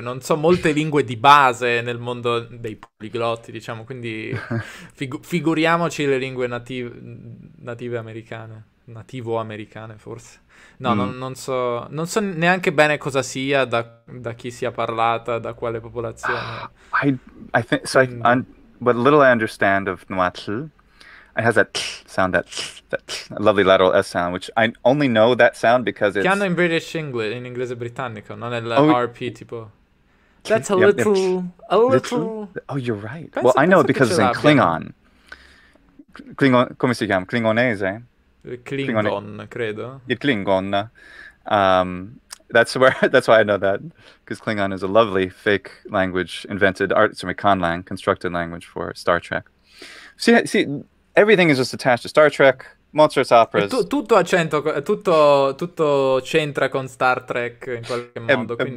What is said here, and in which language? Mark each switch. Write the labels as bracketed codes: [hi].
[it] Non so molte lingue di base nel mondo dei poliglotti, diciamo. Quindi figuriamoci le lingue native americane. Nativo americane, forse. No, non so neanche bene cosa sia, da chi sia parlata, da quale popolazione. [en] I think what little I understand of Nahuatl, it has that lovely lateral S sound, which I only know that sound because it's... [it] Che hanno in British English, in inglese britannico, non nel RP, tipo... [en] That's a little... Oh, you're right. Well, I know because it's in Klingon. Klingon, [it] come si chiama? [en] Klingonese? [it] Klingon, credo. [en] Yeah, Klingon. That's why I know that, because Klingon is a lovely fake language invented, Conlang, constructed language for Star Trek. See, everything is just attached to Star Trek, Mozart's operas. [it] Tutto c'entra con Star Trek in qualche modo.